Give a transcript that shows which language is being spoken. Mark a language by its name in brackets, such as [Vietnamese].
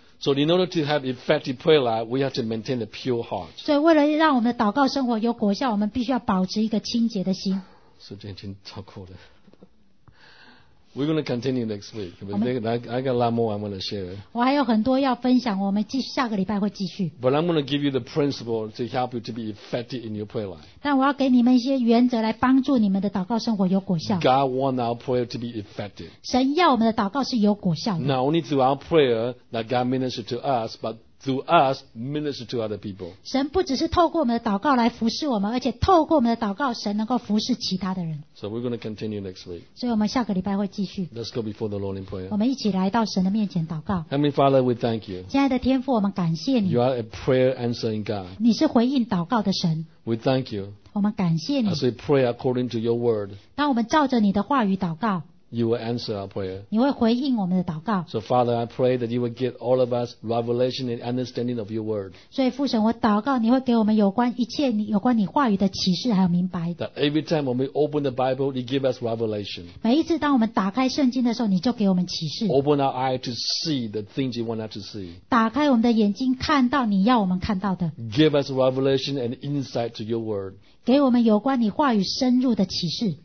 [English] So in order to have effective prayer life, we have to maintain a pure heart. [Chinese] 所以为了让我们的祷告生活有果效，我们必须要保持一个清洁的心。时间已经超过了。 [English] We're going to continue next week. I got a lot more I want to share. [Chinese] 我还有很多要分享，我们下个礼拜会继续。 [English] But I'm going to give you the principle to help you to be effective in your prayer life. [Chinese] 但我要给你们一些原则来帮助你们的祷告生活有果效。 [English] God wants our prayer to be effective. [Chinese] 神要我们的祷告是有果效的。 [English] Not only through our prayer that God ministers to us, but through us minister to other people. [Chinese] 神不只是透过我们的祷告来服侍我们，而且透过我们的祷告，神能够服侍其他的人。 [English] So we're going to continue next week. [Chinese] 所以我们下个礼拜会继续。 [English] Let's go before the Lord in prayer. [Chinese] 我们一起来到神的面前祷告。 [English] Heavenly Father, we thank you. [Chinese] 亲爱的天父，我们感谢你。 [English] You are a prayer answering God. [Chinese] 你是回应祷告的神。 [English] We thank you. [Chinese] 我们感谢你。 [English] As we pray according to your word. [Chinese] 当我们照着你的话语祷告。 [English] You will answer our prayer. [Chinese] 你会回应我们的祷告。 [English] So Father, I pray that you will give all of us revelation and understanding of your word. [Chinese] 所以父神，我祷告你会给我们有关一切有关你话语的启示还有明白。 [English] That every time when we open the Bible, you give us revelation. [Chinese] 每一次当我们打开圣经的时候，你就给我们启示。 [English] Open our eye to see the things you want us to see. [Chinese] 打开我们的眼睛，看到你要我们看到的。 [English] Give us revelation and insight to your word. [Chinese] 给我们有关你话语深入的启示。